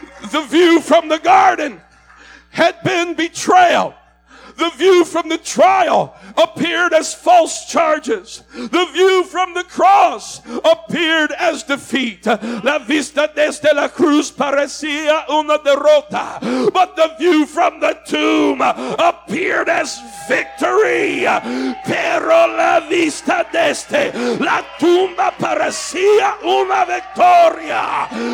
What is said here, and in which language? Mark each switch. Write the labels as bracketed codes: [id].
[en] The view from the garden had been betrayal. The view from the trial appeared as false charges. The view from the cross appeared as defeat. [es] La vista desde la cruz parecía una derrota. [en] But the view from the tomb appeared as victory. [es] Pero la vista desde la tumba parecía una victoria.